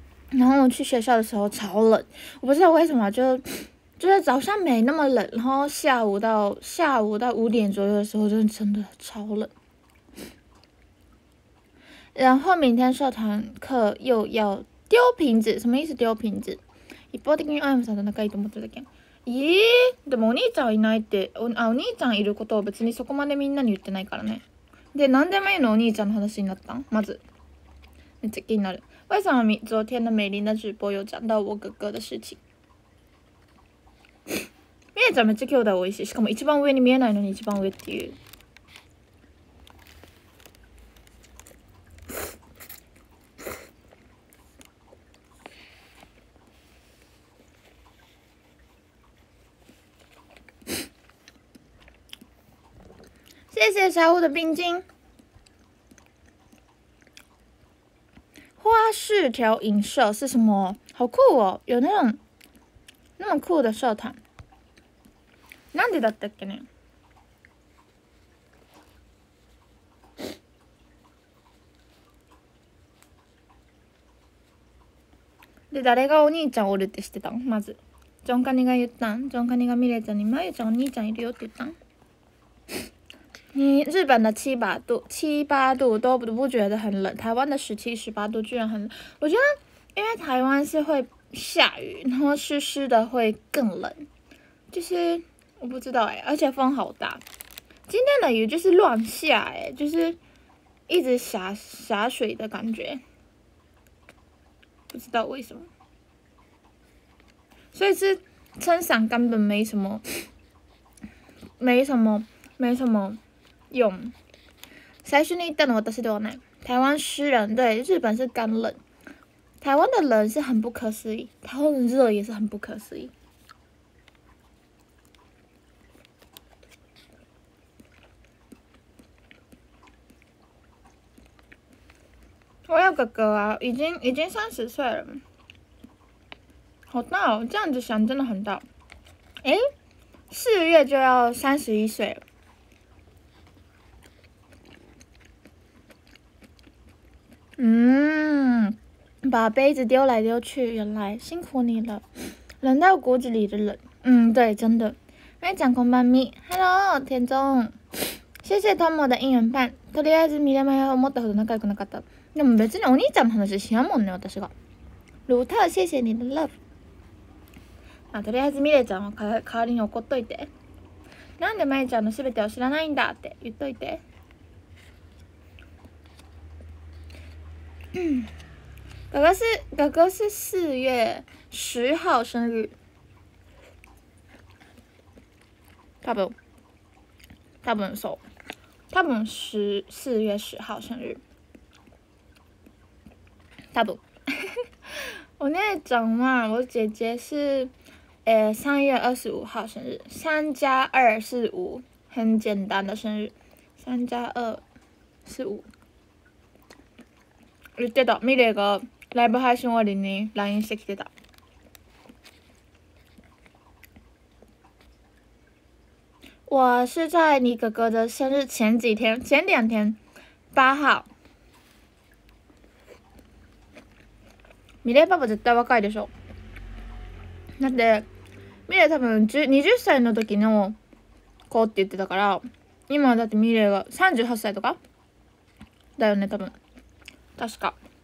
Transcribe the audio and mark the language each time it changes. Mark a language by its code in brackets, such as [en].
[zh] 然后我去学校的时候超冷，我不知道为什么，就是早上没那么冷，然后下午到五点左右的时候就真的超冷。然后明天社团课又要丢瓶子，什么意思丢瓶子？ [ja] 一方的にアイムさんと仲いいと思ってたけん。咦？でもお兄ちゃんいないって、お兄ちゃんいることを別にそこまでみんなに言ってないからね。で、なんでまゆのお兄ちゃんの話になったん？まず。めっちゃ気になる。 [zh] 为什么昨天的美玲的直播有讲到我哥哥的事情？ [ja] みえちゃんめっちゃ兄弟多いし、しかも一番上に見えないのに一番上っていう。 [zh] 谢谢小五的冰晶。花式调饮社是什么？好酷哦，有那种那么酷的社团。 [ja] なんでだったっけね？で、誰がお兄ちゃんおるって知ってたん？まず。ジョンカニが言ったん？ジョンカニがミレちゃんに、マユちゃんお兄ちゃんいるよって言ったん？ [zh] 你日本的七八度，七八度都不觉得很冷，台湾的十七十八度居然很冷。我觉得，因为台湾是会下雨，然后湿湿的会更冷。就是我不知道哎，而且风好大，今天的雨就是乱下哎，就是一直洒洒水的感觉，不知道为什么。所以是撑伞根本没什么，没什么，没什么。 [ja] 用最初に言ったのは私ではない。 [zh] 台湾湿冷，对，日本是干冷。台湾的冷是很不可思议，台湾的热也是很不可思议。我有哥哥啊，已经三十岁了，好大哦！这样子想真的很大。哎，四月就要三十一岁了。嗯，把杯子丢来丢去，原来辛苦你了，冷到骨子里的冷。嗯，对，真的。麦讲空班咪 ，Hello， 田中，谢谢 Tomo 的应援棒。 [ja] とりあえず見れまえ思ったほど仲良くなかった。でも別にお兄ちゃんの話しやんもんね、私が。ルーター、 [zh] 谢谢你的 love。 [ja] まあとりあえずミレちゃんは代わりに怒っといて。なんで麦ちゃんのすべてを知らないんだって言っといて。 [zh] 哥哥是四月十号生日，他不能说，他不能十四月十号生日，他不，我那整嘛，我姐姐是3月25号生日，3+2=5，很简单的生日，3+2=5。 [ja] 言ってた、ミレイがライブ配信終わりに LINE してきてた。 [zh] 我是在你哥哥的生日前几天，前两天，8号。 [ja] ミレイパパ絶対若いでしょ。だってミレイ多分20歳の時の子って言ってたから、今だってミレイが38歳とかだよね、多分確か。